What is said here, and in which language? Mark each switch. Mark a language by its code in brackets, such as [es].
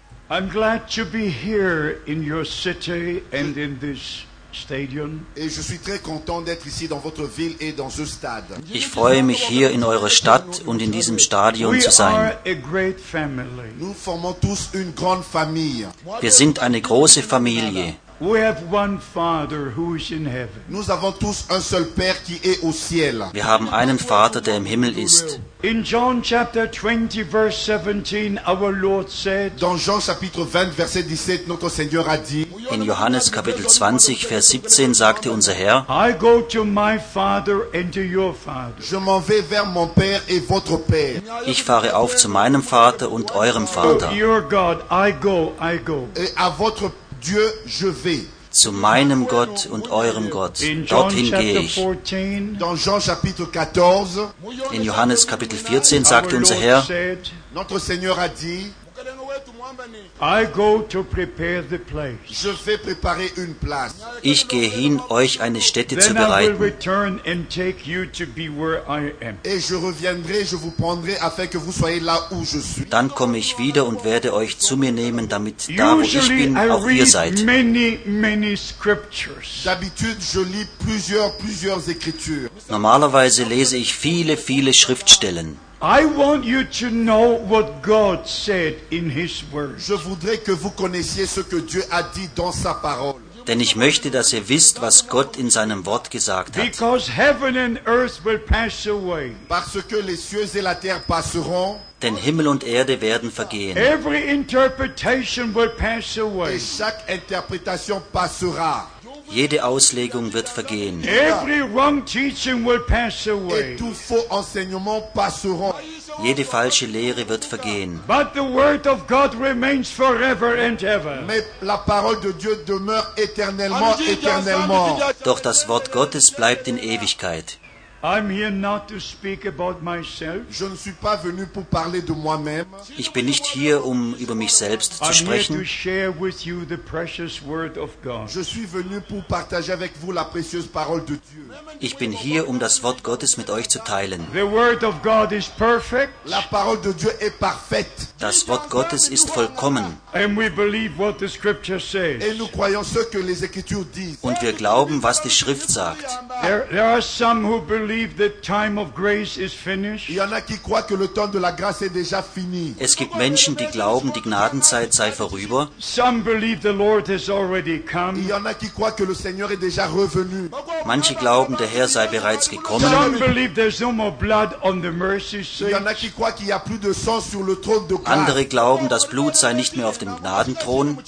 [en] I'm glad to be here in your city and in this stadium. [fr] Et je suis très content d'être ici dans votre ville et dans ce stade. [de] Ich freue mich hier in eurer Stadt und in diesem Stadion zu sein. [en] We are a great family. [fr] Nous formons tous une grande famille. [de] Wir sind eine große Familie. [en] We have one Father who is in heaven. [fr] Nous avons tous un seul Père qui est au ciel. [de] Wir haben einen Vater, der im Himmel ist. [en] In John chapter 20 verse 17, our Lord said. [fr] Dans Jean chapitre 20 verset 17, notre Seigneur a dit. [de] In Johannes Kapitel 20 Vers 17 sagte unser Herr. [en] I go to my Father and to your Father. [fr] Je m'en vais vers mon Père et votre Père. [de] Ich fahre auf zu meinem Vater und eurem Vater. [en] To your God, I go. [fr] Et à votre Dieu, je vais. [de] Zu meinem Gott und eurem Gott, dorthin gehe ich. [fr] Dans Jean chapitre 14, [de] in Johannes Kapitel 14 sagte unser Herr, [fr] said, notre Seigneur a dit, [en] I go to prepare the place. [fr] Je vais préparer une place. [de] Ich gehe hin, euch eine Stätte [en] Then [de] zu bereiten. [en] I will return and take you to be where I am. [fr] Et je reviendrai, je vous prendrai afin que vous soyez là où je suis. [de] Dann komme ich wieder und werde euch zu mir nehmen, damit [en] Usually [de] da wo ich bin auch ihr seid. [en] Many scriptures. [fr] D'habitude, je lis plusieurs écritures. [de] Normalerweise lese ich viele Schriftstellen. [en] I want you to know what God said in His Word. [fr] Je voudrais que vous connaissiez ce que Dieu a dit dans sa parole. [de] Denn ich möchte, dass ihr wisst, was Gott in seinem Wort gesagt hat. [en] Because heaven and earth will pass away. [fr] Parce que les cieux et la terre passeront. [de] Denn Himmel und Erde werden vergehen. [en] Every interpretation will pass away. [fr] Et chaque interprétation passera. [de] Jede Auslegung wird vergehen. [en] Every wrong teaching will pass away. [fr] Et tout faux enseignement passera. [de] Jede falsche Lehre wird vergehen. [en] But the word of God remains forever and ever. [fr] Mais la parole de Dieu demeure éternellement. [de] Doch das Wort Gottes bleibt in Ewigkeit. [en] I'm here not to speak about myself. [fr] Je ne suis pas venu pour parler de moi-même. [de] Ich bin nicht hier, um über mich selbst zu sprechen. [en] I'm here to share with you the precious word of God. [fr] Je suis venu pour partager avec vous la précieuse parole de Dieu. [de] Ich bin hier, um das Wort Gottes mit euch zu teilen. [en] The word of God is perfect. [fr] La parole de Dieu est parfaite. [de] Das Wort Gottes ist vollkommen. [en] And we believe what the scripture says. [fr] Et nous croyons ce que les Écritures disent. [de] Und wir glauben, was die Schrift sagt. [en] There are some who believe that time of grace is finished. [fr] Il y en a qui croient que le temps de la grâce est déjà fini. [de] Es gibt Menschen, die glauben, die Gnadenzeit sei vorüber. [en] Some believe the Lord has already come. [fr] Il y en a qui croient que le Seigneur est déjà revenu. [de] Manche glauben, der Herr sei bereits gekommen. [en] Some believe there's no more blood on the mercy seat. [fr] Il y en a qui croient qu'il y a plus de sang sur le trône de grâce. [de] Andere glauben, das Blut sei nicht mehr auf dem Gnadenthron.